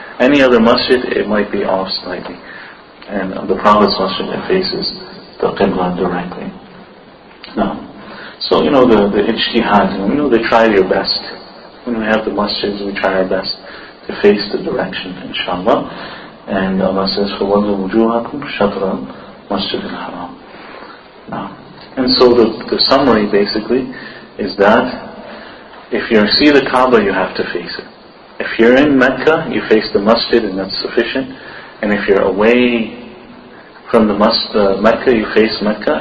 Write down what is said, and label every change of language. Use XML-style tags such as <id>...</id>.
<en>Any other masjid, it might be off slightly. And the Prophet's masjid, it faces the Qibla directly. Now, so, you know, the ijtihad, you know, they try your best. When we have the masjids, we try our best to face the direction, inshallah. And Allah says,</en> <ar>فَوَلُّوا وُجُوهَكُمْ شَطْرًا مَسْجِدِ الْحَرَامِ.</ar> <en>Now, and so the summary, basically, is that if you see the Kaaba, you have to face it. If you're in Mecca, you face the masjid, and that's sufficient. And if you're away from the Mecca, you face Mecca.</en>